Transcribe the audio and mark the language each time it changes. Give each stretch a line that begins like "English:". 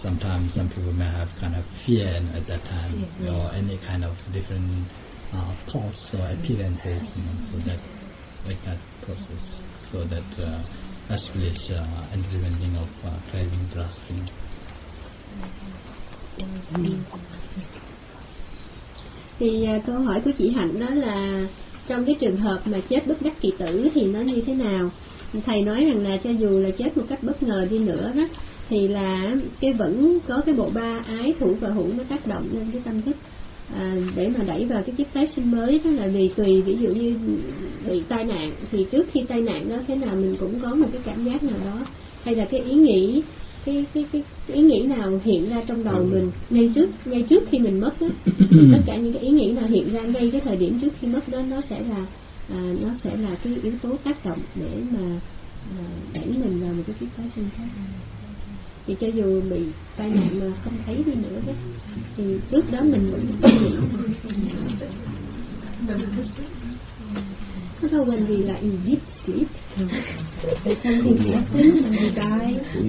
English: Sometimes some people may have kind of fear at that time, or any kind of different thoughts or appearances, you know, so that, like that process, so that actually is implementing of craving, grasping.
Vietnamese: Thì câu hỏi của chị Hạnh đó là trong cái trường hợp mà chết bất đắc kỳ tử thì nó như thế nào? Thầy nói rằng là cho dù là chết một cách bất ngờ đi nữa đó, thì là cái vẫn có cái bộ ba ái thủ và hữu nó tác động lên cái tâm thức để mà đẩy vào cái chiếc tái sinh mới. Đó là vì tùy, ví dụ như bị tai nạn thì trước khi tai nạn đó thế nào mình cũng có một cái cảm giác nào đó, hay là cái ý nghĩ, cái ý nghĩ nào hiện ra trong đầu mình ngay trước khi mình mất đó, tất cả những cái ý nghĩ nào hiện ra ngay cái thời điểm trước khi mất đó, nó sẽ là cái yếu tố tác động để mà đẩy mình vào một cái kiếp tái sinh khác. Thì cho dù bị tai nạn mà không thấy đi nữa đó, thì trước đó mình cũng suy nghĩ.
English: So when we are in deep sleep, something happens and we die.